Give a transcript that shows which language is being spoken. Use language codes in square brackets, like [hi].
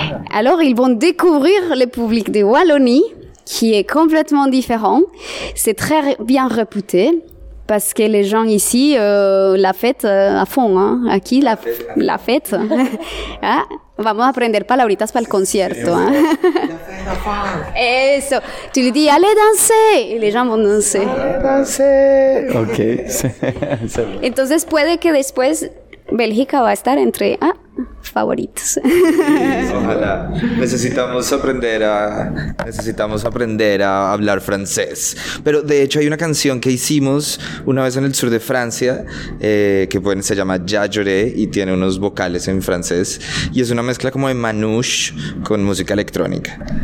[fr] alors, ils vont découvrir le public de Wallonie, qui est complètement différent. C'est très bien réputé, parce que les gens ici, la fête à fond, hein. [es] Aquí, [fr] la fête. [es] Ah, vamos a aprender palabritas para el concierto. [fr] Hein. Eso, tu le dis allez danser y les gens vont danser. Allez danser. Ok. [es] Entonces puede que después Bélgica va a estar entre favoritos. Sí, ojalá. Necesitamos aprender a hablar francés. Pero de hecho hay una canción que hicimos una vez en el sur de Francia que se llama Ya lloré y tiene unos vocales en francés y es una mezcla como de manouche con música electrónica.